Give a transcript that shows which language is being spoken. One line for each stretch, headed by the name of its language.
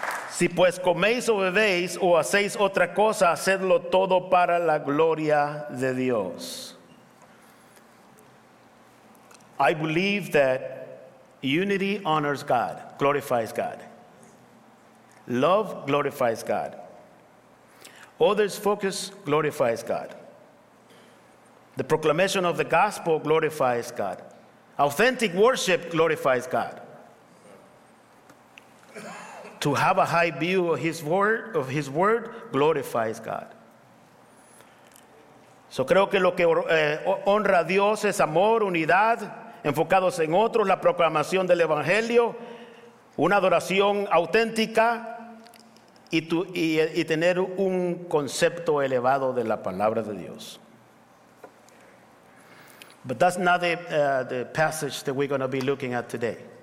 Spanish: Si pues coméis o bebéis o hacéis otra cosa, hacedlo todo para la gloria de Dios.
English: I believe that unity honors God, glorifies God. Love glorifies God. Others' focus glorifies God. The proclamation of the gospel glorifies God. Authentic worship glorifies God. To have a high view of his word glorifies God.
Spanish: So creo que lo que honra a Dios es amor, unidad, enfocados en otros, la proclamación del evangelio, una adoración auténtica y tener un concepto elevado de la palabra de Dios.
English: But that's not the passage that we're going to be looking at today.